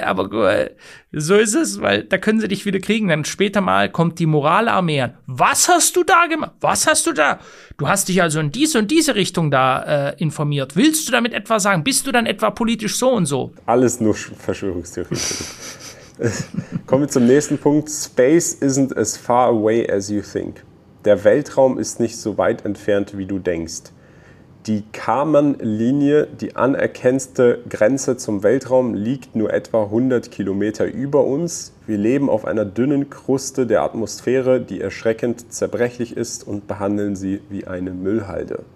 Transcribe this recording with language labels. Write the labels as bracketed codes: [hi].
[de] Ja, aber so ist es, weil da können sie dich wieder kriegen. Dann später mal kommt die Moralarmee an. Was hast du da gemacht? Was hast du da? Du hast dich also in diese und diese Richtung da informiert. Willst du damit etwa sagen, bist du dann etwa politisch so und so? Alles nur Verschwörungstheorie. Kommen wir zum nächsten Punkt. [en] Space isn't as far away as you think. [de] Der Weltraum ist nicht so weit entfernt, wie du denkst. Die Kármán-Linie, die anerkannte Grenze zum Weltraum, liegt nur etwa 100 Kilometer über uns. Wir leben auf einer dünnen Kruste der Atmosphäre, die erschreckend zerbrechlich ist, und behandeln sie wie eine Müllhalde.